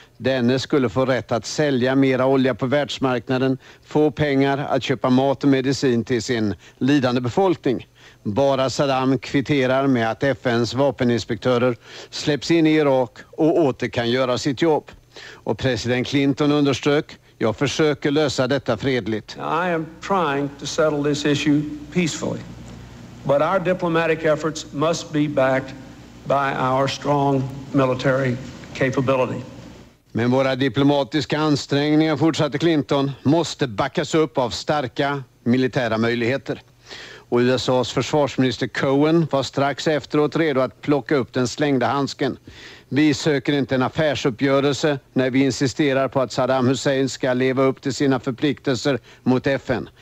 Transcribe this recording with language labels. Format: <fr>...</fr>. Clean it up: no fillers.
<sv>Denne skulle få rätt att sälja mera olja på världsmarknaden, få pengar att köpa mat och medicin till sin lidande befolkning. Bara Saddam kvitterar med att FNs vapeninspektörer släpps in i Irak och åter kan göra sitt jobb. Och president Clinton underströk: jag försöker lösa detta fredligt.</sv> <en>I am trying to settle this issue peacefully. But our diplomatic efforts must be backed by our strong military capability.</en> <sv>Men våra diplomatiska ansträngningar, fortsatte Clinton, måste backas upp av starka militära möjligheter. Och USAs försvarsminister Cohen var strax efteråt redo att plocka upp den slängda handsken. Vi söker inte en affärsuppgörelse när vi insisterar på att Saddam Hussein ska leva upp till sina förpliktelser mot FN.</sv>